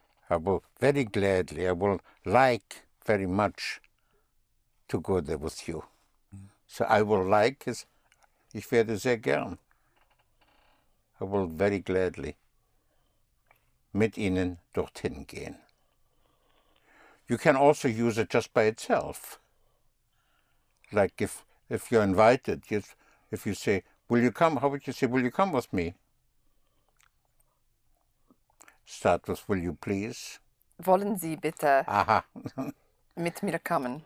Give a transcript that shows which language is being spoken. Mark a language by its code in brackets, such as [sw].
[en] I will very much to go there with you. So I will like, is, [de] ich werde sehr gern. [en] I will very gladly [de] mit Ihnen dorthin gehen. [en] You can also use it just by itself. like if you're invited, if you say, will you come? How would you say, will you come with me? Start with, will you please? [de] Wollen Sie bitte mit mir kommen?